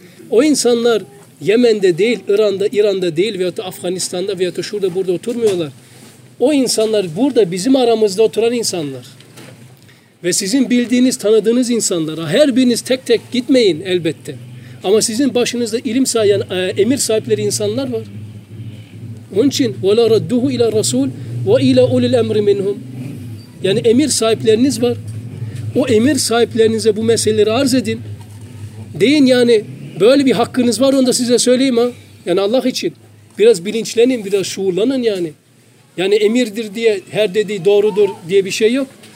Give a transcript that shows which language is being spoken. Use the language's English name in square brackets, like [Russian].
[Turkish] O insanlar Yemen'de değil, İran'da değil veyahut da Afganistan'da veyahut da şurada burada oturmuyorlar. O insanlar burada bizim aramızda oturan insanlar. Ve sizin bildiğiniz, tanıdığınız insanlara her biriniz tek tek gitmeyin elbette. Ama sizin başınızda ilim sahibi, yani emir sahipleri insanlar var. Onun için [Arabic] وَلَا رَدُّهُ اِلَى الرَّسُولِ وَاِلَى اُلِ الْاَمْرِ مِنْهُمْ. [Turkish] Yani emir sahipleriniz var. O emir sahiplerinize bu meseleleri arz edin. Deyin yani böyle bir hakkınız var, onu da size söyleyeyim ha. Yani Allah için. Biraz bilinçlenin, biraz şuurlanın yani. Yani emirdir diye her dediği doğrudur diye bir şey yok.